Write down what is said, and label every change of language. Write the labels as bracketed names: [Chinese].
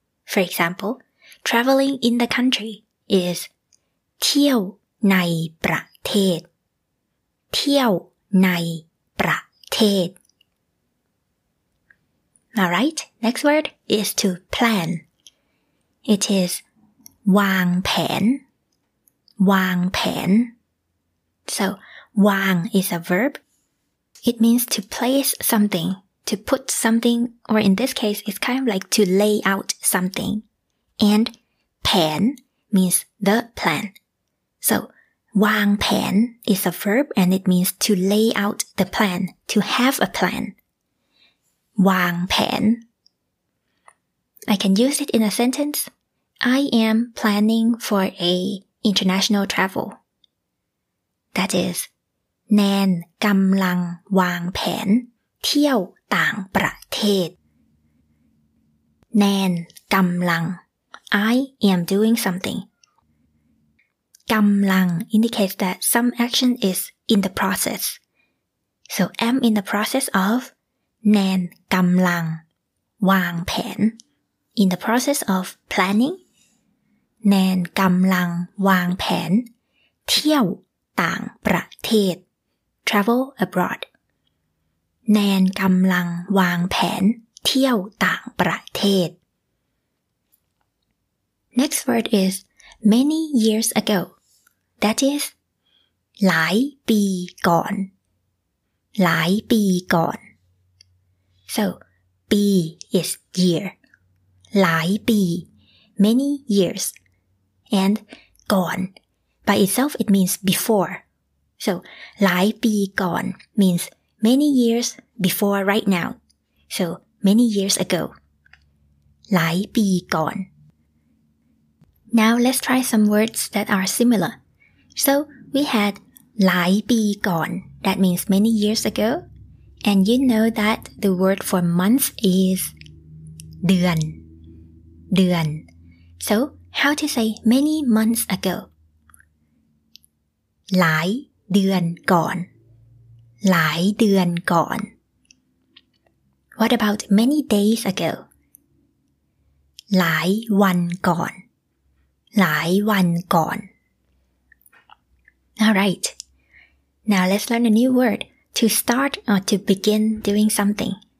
[English] For example, traveling in the country is [Thai] เที่ยวในประเทศเที่ยวในประเทศ [English] Alright, next word is to plan. It is วางแผนวางแผน So, วาง is a verb. It means to place something, to put something, or in this case, it's kind of like to lay out something. And แผน means the plan. So,วางแผน is a verb and it means to lay out the plan, to have a plan. วางแผน I can use it in a sentence. I am planning for a international travel. That is, [Thai] แนนกำลังวางแผนเที่ยวต่างประเทศแนนกำลัง [English] I am doing somethingกำลัง indicates that some action is in the process. So, am in the process of [Thai] แนนกำลังวางแผน [English] In the process of planning, [Thai] แนนกำลังวางแผนเที่ยวต่างประเทศ [English] Travel abroad. [Thai] แนนกำลังวางแผนเที่ยวต่างประเทศ [English] Next word is many years ago. That is, [Thai] หลายปีก่อน หลายปีก่อน [English] So, ปี is year. หลายปี many years. And, ก่อน by itself it means before. So, หลายปีก่อน means many years before right now. So, many years ago. หลายปีก่อน Now, let's try some words that are similar. So, we had หลายปีก่อน That means many years ago. And you know that the word for month is เดือน เดือน So, how to say many months ago? [Thai] หลายเดือนก่อน หลายเดือนก่อน [English] What about many days ago? [Thai] หลายวันก่อน หลายวันก่อน [English] Alright, now let's learn a new word to start or to begin doing something.